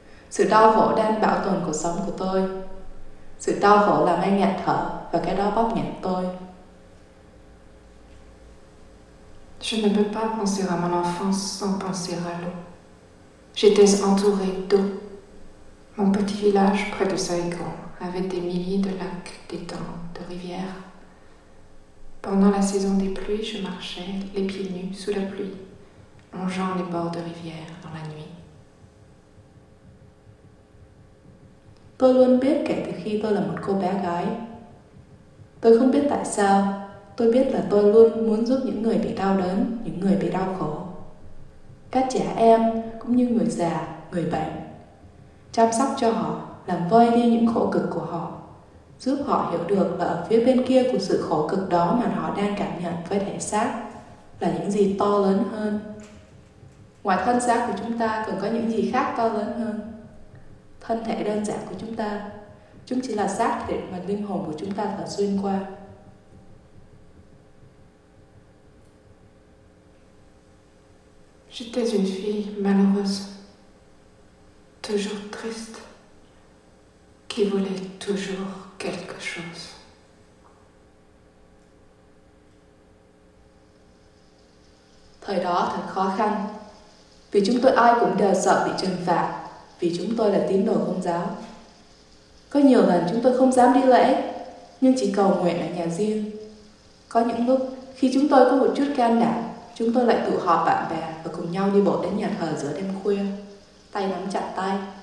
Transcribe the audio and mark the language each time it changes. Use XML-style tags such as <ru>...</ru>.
<vi>Sự đau khổ đang bảo tồn cuộc sống của tôi. Sự đau khổ làm anh nghẹt thở và cái đó bóp nghẹt tôi.</vi> <fr>Je ne peux pas penser à mon enfance sans penser à l'eau. J'étais entourée d'eau. Mon petit village près de Saigon avait des milliers de lacs, d'étangs, de rivières. Pendant la saison des pluies, je marchais les pieds nus sous la pluie, longeant les bords de rivière dans la nuit.</fr> <vi>Tôi luôn biết kể từ khi tôi là một cô bé gái. Tôi không biết tại sao, tôi biết là tôi luôn muốn giúp những người bị đau đớn, những người bị đau khổ. Các trẻ em cũng như người già, người bệnh. Chăm sóc cho họ, làm vơi đi những khổ cực của họ. Giúp họ hiểu được là ở phía bên kia của sự khổ cực đó mà họ đang cảm nhận với thể xác là những gì to lớn hơn. Ngoài thân xác của chúng ta còn có những gì khác to lớn hơn. Thân thể đơn giản của chúng ta, chúng chỉ là xác thể mà linh hồn của chúng ta thở xuyên qua.</vi> <fr>J'étais une fille malheureuse, toujours triste, qui voulait toujours quelque chose.</fr> <vi>Thời đó thật khó khăn, vì chúng tôi ai cũng đều sợ bị trừng phạt, vì chúng tôi là tín đồ Công giáo. Có nhiều lần chúng tôi không dám đi lễ, nhưng chỉ cầu nguyện ở nhà riêng. Có những lúc, khi chúng tôi có một chút can đảm, chúng tôi lại tụ họp bạn bè và cùng nhau đi bộ đến nhà thờ giữa đêm khuya, tay nắm chặt tay.</vi>